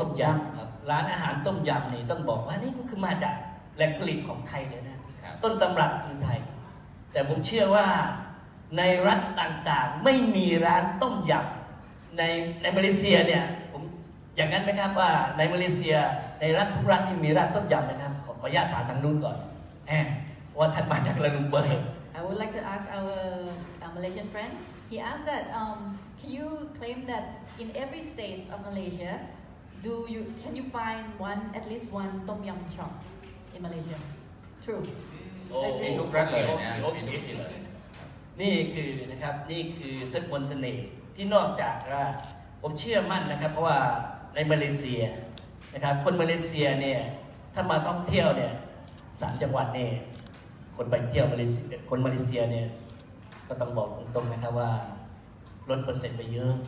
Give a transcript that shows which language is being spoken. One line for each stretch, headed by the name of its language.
Thai: ต้มยำครับร้านอาหารต้มยำนี่ต้องบอกว่านี่ก็คือมาจากแหล่งผลิตของไทยเลยนะต้นตำรับคือไทยแต่ผมเชื่อว่าในรัฐต่างๆไม่มีร้านต้มยำในมาเลเซียเนี่ยผมอย่างนั้นไหมครับว่าในมาเลเซียในรัฐทุกรัฐที่มีร้านต้มยำนะครับขออนุญาตถามทางนู้นก่อนแหมว่าท่านมาจากลาลุงเปอร์
English: I would like to ask our Malaysian friend he asked that can you claim that in every state of Malaysia can you find one at least one tom yum shop in Malaysia true oh in
Thai: ทุกรัฐเลยนะ นี่คือนะครับนี่คือสกุลเสน่ห์ที่นอกจากว่าผมเชื่อมั่นนะครับเพราะว่าในมาเลเซียนะครับคนมาเลเซียเนี่ยถ้ามาท่องเที่ยวเนี่ย3จังหวัดเนี่ยคนไปเที่ยวมาเลเซียคนมาเลเซียเนี่ยก็ต้องบอกตรงๆนะครับว่าลดเปอร์เซ็นต์ไปเยอะ